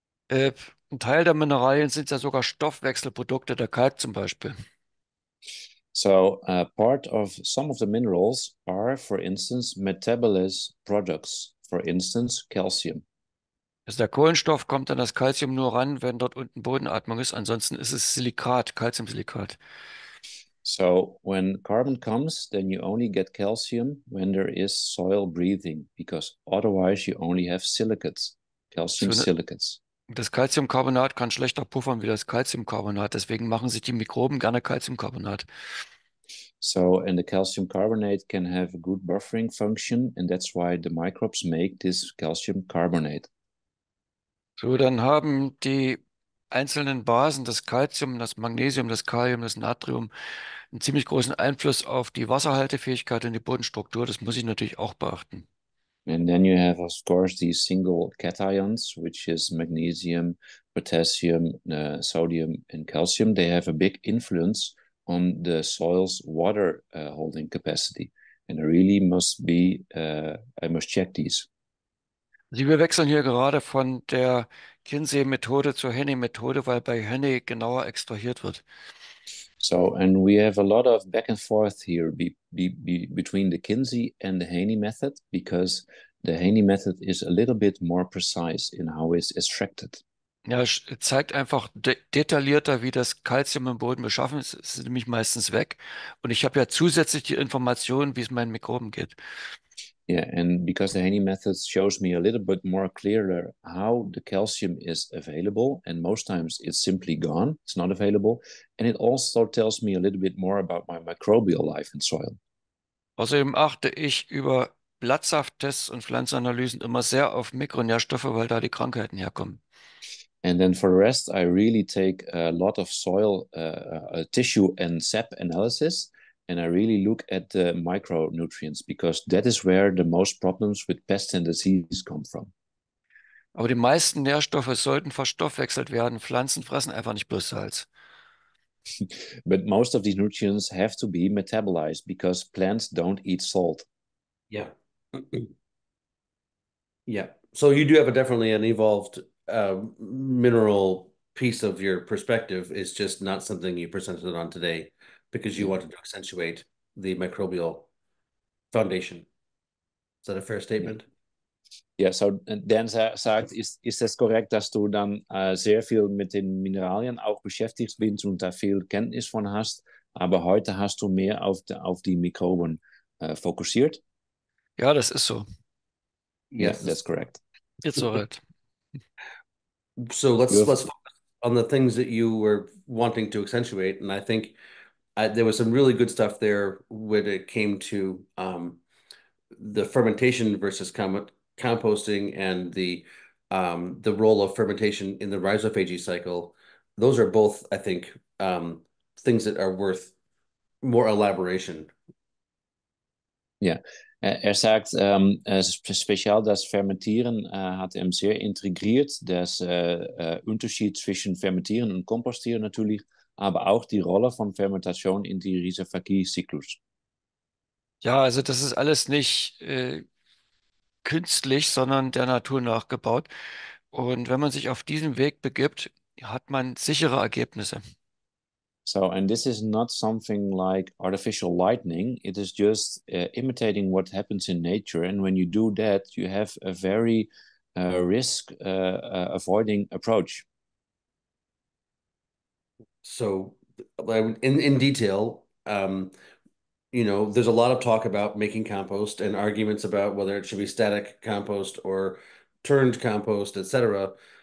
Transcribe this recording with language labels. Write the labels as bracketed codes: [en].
[de] Ein Teil der Mineralien sind ja sogar Stoffwechselprodukte, der Kalk zum Beispiel. [en] So part of some of the minerals are, for instance, metabolism products, for instance, calcium. [de] Also der Kohlenstoff kommt an das Calcium nur ran, wenn dort unten Bodenatmung ist. Ansonsten ist es Silikat, Calciumsilikat. [en] So when carbon comes, then you only get calcium when there is soil breathing, because otherwise you only have silicates, calcium silicates. [de] Das Calciumcarbonat kann schlechter puffern wie das Calciumcarbonat, deswegen machen sich die Mikroben gerne Calciumcarbonat. [en] So and the calcium carbonate can have a good buffering function and that's why the microbes make this calcium carbonate. [de] So, dann haben die einzelnen Basen, das Calcium, das Magnesium, das Kalium, das Natrium, einen ziemlich großen Einfluss auf die Wasserhaltefähigkeit und die Bodenstruktur. Das muss ich natürlich auch beachten. [en] And then you have, of course, these single cations, which is magnesium, potassium, sodium and calcium. They have a big influence on the soil's water holding capacity. And really must be, I must check these. [de] Wir wechseln hier gerade von der Kinsey-Methode zur Henne-Methode, weil bei Henne genauer extrahiert wird. [en] So, and we have a lot of back and forth here between the Kinsey and the Henne method, because the Henne method is a little bit more precise in how it's extracted. [de] Ja, es zeigt einfach detaillierter, wie das Calcium im Boden beschaffen ist. Es ist nämlich meistens weg. Und ich habe ja zusätzlich die Informationen, wie es meinen Mikroben geht. [en] Yeah, and because the Henne method shows me a little bit more clearer how the calcium is available, and most times it's simply gone, it's not available, and it also tells me a little bit more about my microbial life in soil. [de] Außerdem achte ich über Blattsafttests und Pflanzenanalysen immer sehr auf Mikronährstoffe, weil da die Krankheiten herkommen. [en] And then for the rest, I really take a lot of soil tissue and sap analysis. And I really look at the micronutrients, because that is where the most problems with pests and diseases come from. [de] Aber die meisten Nährstoffe sollten verstoffwechselt werden. Pflanzen fressen einfach nicht bloß Salz. [en] But most of these nutrients have to be metabolized, because plants don't eat salt. Yeah. Yeah. So you do have definitely an evolved mineral piece of your perspective. It's just not something you presented on today. Because you wanted to accentuate the microbial foundation. Is that a fair statement? [de] Yeah, so Dan sagt, ist es korrekt, dass du dann sehr viel mit den Mineralien auch beschäftigt bist und da viel Kenntnis von hast, aber heute hast du mehr auf die Mikroben fokussiert? Ja, das ist so. [en] Yeah, yes, that's correct. It's all right. So let's focus on the things that you were wanting to accentuate, and I think there was some really good stuff there when it came to the fermentation versus composting and the role of fermentation in the rhizophagy cycle. Those are both, I think, things that are worth more elaboration. [de] Ja, er sagt, speziell das Fermentieren hat ihm sehr integriert, das Unterschied zwischen Fermentieren und Kompostieren natürlich, aber auch die Rolle von Fermentation in die Rhizophagie-Zyklus. Ja, also das ist alles nicht künstlich, sondern der Natur nachgebaut. Und wenn man sich auf diesem Weg begibt, hat man sichere Ergebnisse. [en] So, and this is not something like artificial lightning. It is just imitating what happens in nature. And when you do that, you have a very risk-avoiding approach. So, in detail, you know, there's a lot of talk about making compost and arguments about whether it should be static compost or turned compost, etc.